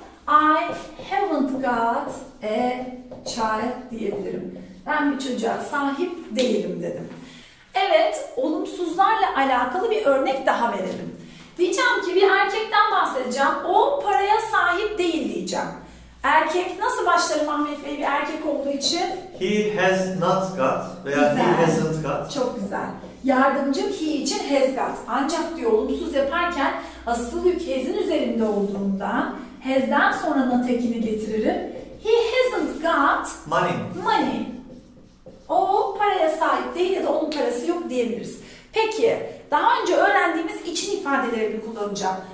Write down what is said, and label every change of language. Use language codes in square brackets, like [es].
[en] I haven't got a child [tr] diyebilirim. Ben bir çocuğa sahip değilim dedim. Evet, olumsuzlarla alakalı bir örnek daha verelim. Diyeceğim ki bir erkekten bahsedeceğim. O paraya sahip değil diyeceğim. Erkek nasıl başlarım Ahmet Bey bir erkek olduğu için? [en] He has not got [tr] veya güzel. [en] He hasn't got. [tr] Çok güzel. Yardımcım he için has got. Ancak diyor olumsuz yaparken asıl yük has'in üzerinde olduğundan has'den sonra not ekini getiririm. [en] He hasn't got money. [tr] O paraya sahip değil ya da onun parası yok diyebiliriz. Peki daha önce öğrendiğimiz için ifadelerini kullanacağım.